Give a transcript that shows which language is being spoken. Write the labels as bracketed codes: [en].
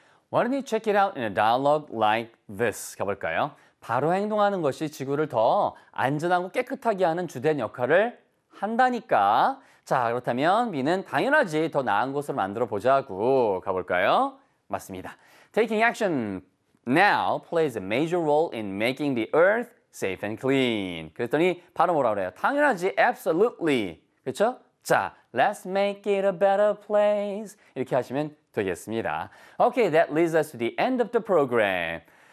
[ko] 원인이 [en] check it out in a dialogue like this. [ko] 가볼까요? 바로 행동하는 것이 지구를 더 안전하고 깨끗하게 하는 주된 역할을 한다니까. 자, 그렇다면 B는 당연하지, 더 나은 곳을 만들어 보자고. 가볼까요? 맞습니다. [en] Taking action now plays a major role in making the earth safe and clean. [ko] 그랬더니 바로 뭐라 그래요? 당연하지, absolutely. 그렇죠? 자, [en] let's make it a better place. [ko] 이렇게 하시면 되겠습니다. [en] Okay, that leads us to the end of the program.